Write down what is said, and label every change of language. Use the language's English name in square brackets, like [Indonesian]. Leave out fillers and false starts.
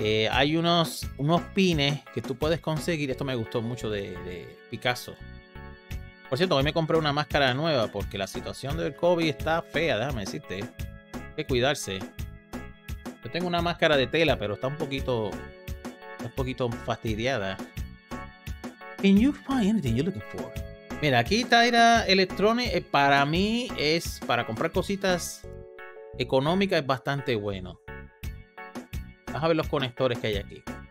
[Spanish] Hay unos pines que tú puedes conseguir. Esto me gustó mucho de Picasso. Por cierto, hoy me compré una máscara nueva porque la situación del COVID está fea, déjame decirte. Hay que cuidarse. Yo tengo una máscara de tela, pero está un poquito fastidiada. [English] Can you find anything you're looking for? [Spanish] Mira, aquí Tyra Electronics, para mí es para comprar cositas económicas, es bastante bueno. Vamos a ver los conectores que hay aquí.